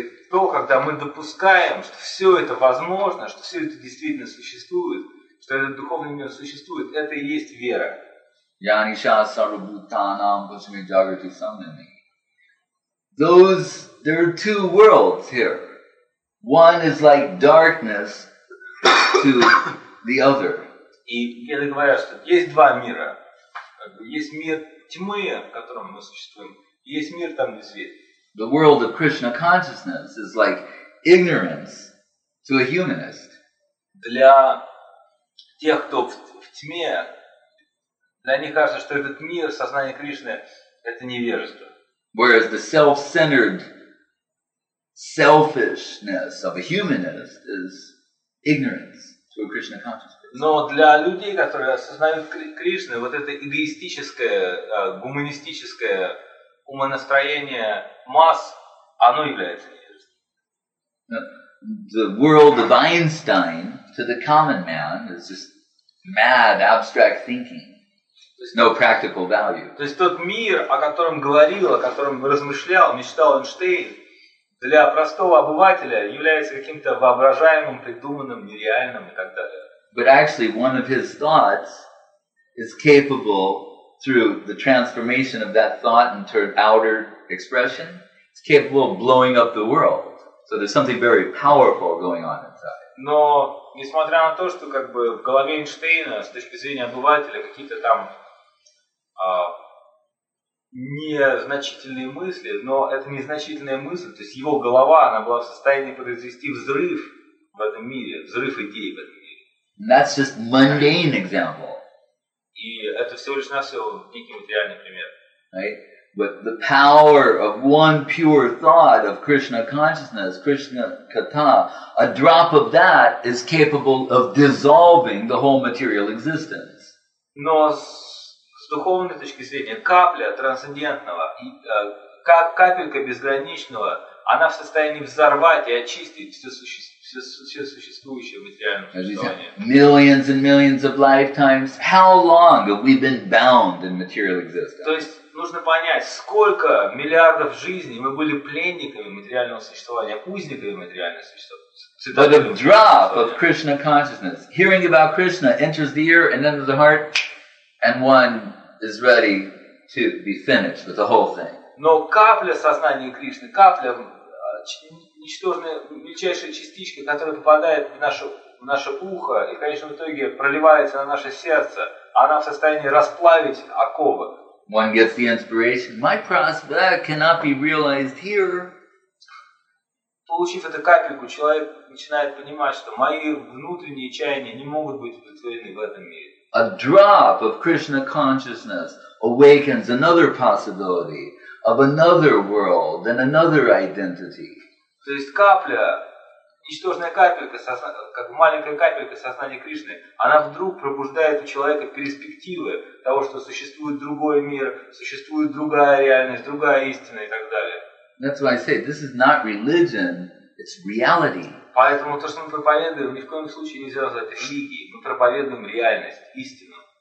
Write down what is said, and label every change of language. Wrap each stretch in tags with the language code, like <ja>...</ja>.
<ru>То, когда мы допускаем, что все это возможно, что все это действительно существует, что этот духовный мир существует, это и есть вера.</ru> <sa>Yanisha sarubhutanam bhujami jagrati samnami.</sa> <en>Those, there are two worlds here. One is like darkness to the other.</en> <ru>И Веды говорят, что есть два мира. Есть мир тьмы, в котором мы существуем, и есть мир там, где свет.</ru> <en>The world of Krishna consciousness is like ignorance to a humanist.</en> <ru>Для тех, кто в тьме, для них кажется, что этот мир сознания Кришны — это невежество.</ru> <en>Whereas the self-centered selfishness of a humanist is ignorance to a Krishna consciousness.</en> <ru>Но для людей, которые осознают Кришны, вот это эгоистическое, гуманистическое умонастроение масс, оно является невежеством.</ru> <en>The world of Einstein to the common man is just mad abstract thinking. There's no practical value.</en> <ru>То есть тот мир, о котором говорил, о котором размышлял, мечтал Эйнштейн, для простого обывателя является каким-то воображаемым, придуманным, нереальным и так далее.</ru> <en>But actually one of his thoughts is capable, through the transformation of that thought into an outer expression, it's capable of blowing up the world. So there's something very powerful going on inside.</en> <ru>Но несмотря на то, что как бы в голове Эйнштейна с точки зрения обывателя какие-то там незначительные мысли, но это незначительная мысль, то есть его голова, она была в состоянии произвести взрыв в этом мире, взрыв идей в этом мире.</ru> <en>And that's just mundane example.</en> <ru>И это всего лишь навсего некий материальный пример.</ru> <en>Right? But the power of one pure thought of Krishna consciousness, Krishna katha, a drop of that is capable of dissolving the whole material existence.</en> <ru>Но с духовной точки зрения, капля трансцендентного, как капелька безграничного, она в состоянии взорвать и очистить все существующее материальное существование.</ru> <en>Millions and millions of lifetimes. How long have we been bound in material existence?</en> <ru>То есть нужно понять, сколько миллиардов жизней мы были пленниками материального существования, узниками материального существования.</ru> <en>But a drop of Krishna consciousness, hearing about Krishna, enters the ear and enters the heart, and one is ready to be finished with the whole thing.</en> <ru>Но капля сознания Кришны, капля, ничтожная, мельчайшая частичка, которая попадает в наше ухо и, в конечном итоге, проливается на наше сердце, она в состоянии расплавить оковы.</ru> <en>One gets the inspiration, my prospect cannot be realized here.</en> <ru>Получив эту капельку, человек начинает понимать, что мои внутренние чаяния не могут быть удовлетворены в этом мире.</ru> <en>A drop of Krishna consciousness awakens another possibility of another world and another identity.</en> <ru>То есть капля, ничтожная капелька, как маленькая капелька сознания Кришны, она вдруг пробуждает у человека перспективы того, что существует другой мир, существует другая реальность, другая истина и так далее.</ru> <en>That's why I say this is not religion, it's reality.</en> <ru>Поэтому то, что мы проповедуем, ни в коем случае нельзя назвать религией. Мы проповедуем реальность, истину.</ru>